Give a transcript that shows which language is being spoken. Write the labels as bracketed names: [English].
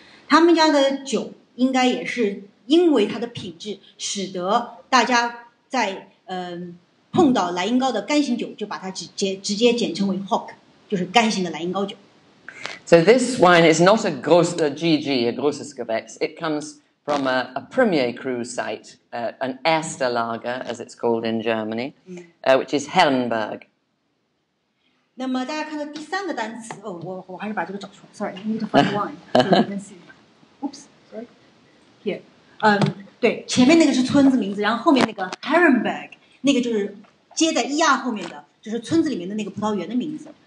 [Chinese] 他们家的酒应该也是因为它的品质，使得大家在碰到莱茵高的干型酒，就把它直接简称为 Hock， 就是干型的莱茵高酒。 [English] So this wine is not a Grosse GG, a Grosse Gewächs. It comes from a premier cru site, an Erster Lager, as it's called in Germany, which is Herrenberg. [Chinese] 那么大家看到第三个单词，我还是把这个找出来。 [English] Sorry, I need to find wine. Oops, sorry. Here. [Chinese] 对，前面那个是村子名字，然后后面那个 Herrenberg, 那个就是接在一二后面的，就是村子里面的那个葡萄园的名字。